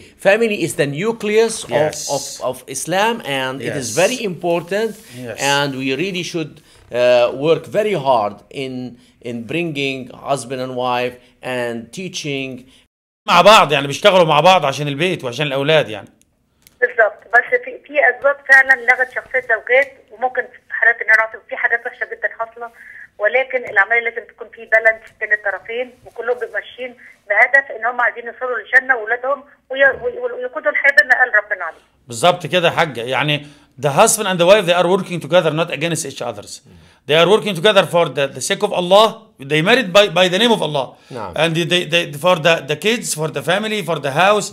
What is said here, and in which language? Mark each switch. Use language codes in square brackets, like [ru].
[en] family is the nucleus of Islam, and it is very important, and we really should work very hard in bringing husband and wife and teaching [ar] مع بعض، يعني بيشتغلوا مع بعض عشان البيت وعشان الاولاد يعني. بالظبط، بس في اسباب فعلا لغت شخصية زوجات، وممكن في حالات ان في حاجات وحشه جدا حاصله، ولكن العملية لازم تكون في بالانس بين الطرفين، وكلهم ماشيين بهدف ان هم عايزين يوصلوا للجنه واولادهم ويقودوا الحياه بما قال ربنا عليه. بالظبط كده يا حاجه، [en] يعني the husband and the wife they are working together not against each others. They are working together for the sake of Allah. They married by the name of Allah. [ar] نعم. [en] And they for the kids, for the family, for the house.